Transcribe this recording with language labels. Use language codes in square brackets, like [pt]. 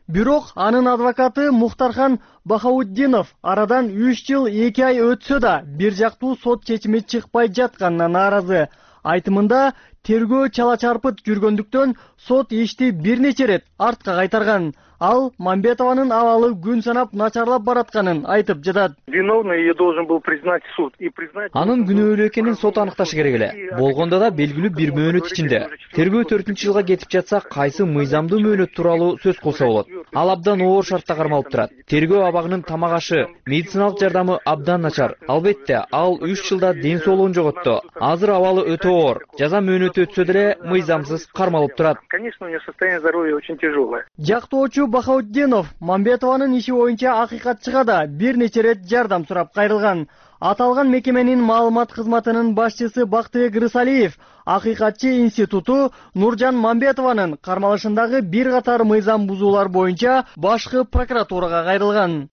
[ky] Бирок анын адвокаты Мухтархан Бахауддинов арадан 3 жыл 2 ай өтсө да бир жактуу сот чечими чыкпай жатканына нааразы. Айтымында тергөө чала чарпыт жүргөндүктөн сот ишти бир нече ирет артка кайтарган. Ал Мамбетованын абалы күн санап начарлап баратканын айтып жатат. [ru] Виновный и должен был признать суд и признать. [ky] Анын күнөөлүү экенин сот аныкташы керек эле. Болгондо да белгилүү бир мөөнөт ичинде. Тергөө 4-жылга кетип жатса, кайсы мыйзамдуу мөөнөт тууралуу сөз кылса болот. Ал абдан оор шартта кармалып турат. Тергөө абагынын тамак ашы, медициналык жардамы абдан начар. Албетте, ал 3 жылда ден соолугун жоготту. Азыр абалы өтө оор. Жаза мөөнөтү өтсө деле мыйзамсыз кармалып турат. [ru] Конечно, у него состояние здоровья очень тяжёлое. [ky] Жактоочу Бахауддинов Мамбетованын иши боюнча акыйкатчыга да бир нече ирет жардам сурап кайрылган. Аталган мекеменин маалымат кызматынын башчысы Бактыбек Рысалиев акыйкатчы институту Нуржан Мамбетованын кармалышындагы бир катар мыйзам бузуулар боюнча башкы прокуратурага кайрылган.